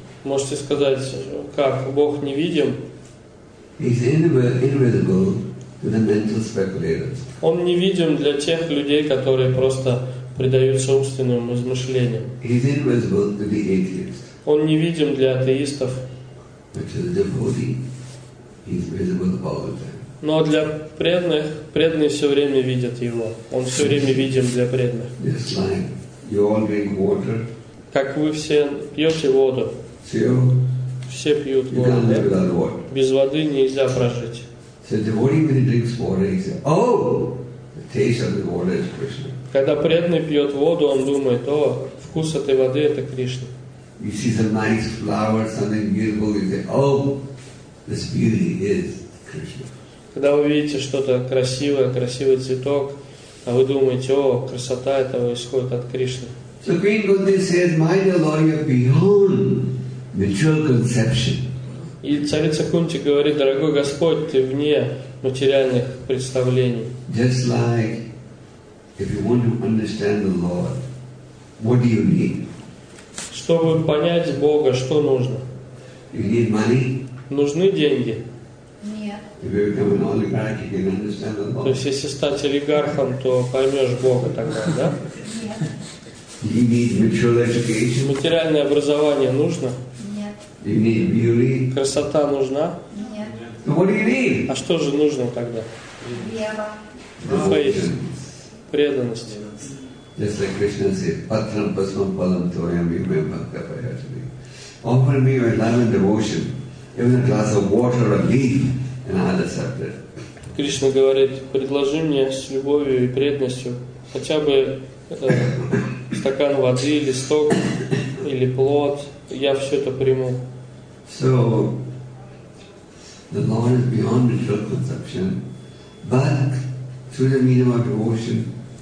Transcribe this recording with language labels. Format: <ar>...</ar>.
<ru>Можете сказать, как, Бог невидим?</ru> <en>is invisible to the mental speculators.</en> <ru>Он невидим для тех людей, которые просто предаются умственным измышлениям.</ru> <en>He is invisible to the atheists.</en> <ru>Он невидим для атеистов.</ru> <en>But to the devotee, he is visible all the time.</en> <ru>Но для преданных, преданные все время видят его. Он все время видим для преданных.</ru> <en>Just like you all drink water.</en> <ru>Как вы все пьете воду. Все пьют воду.</ru> <en>You can't live without water.</en> <ru>Без воды нельзя прожить.</ru> <en>So the devotee when he drinks water, he says, "Oh, the taste of the water is Krishna."</en> <ru>Когда преданный пьет воду, он думает, о, вкус этой воды – это Кришна.</ru> <en>You see some nice flower, something beautiful, you say, oh, this beauty is Krishna.</en> <ru>Когда вы видите что-то красивое, красивый цветок, а вы думаете, о, красота этого исходит от Кришны.</ru> <en>So Queen Kunti says, my dear Lord, you're beyond material conception.</en> <ru>И царица Кунти говорит, дорогой Господь, ты вне материальных представлений.</ru> <en>Just like if you want to understand the Lord, what do you need?</en> <ru>Чтобы понять Бога, что нужно?</ru> <en>You need money?</en> <ru>Нужны деньги? Нет.</ru> <en>If you become an oligarch, you can understand the Lord.</en> <ru>То есть если стать олигархом, то поймешь Бога тогда, да? Нет.</ru> <en>You need material education?</en> <ru>Материальное образование нужно? Нет.</ru> <en>You need beauty?</en> <ru>Красота нужна? Нет.</ru> <en>So what do you need?</en> <ru>А что же нужно тогда? Вера. Преданность.</ru> <en>Just like Krishna said,</en> <sa>Patram Pasmam Palam Toyam Vimayamakta Payasmi.</sa> <en>Offer me your love and devotion, even a glass of water or leaf, and I'll accept it.</en> <ru>Кришна говорит, предложи мне с любовью и преданностью хотя бы стакан воды, листок или плод, я все это приму.</ru> <en>So, the Lord is beyond material conception, but through the medium of devotion,</en>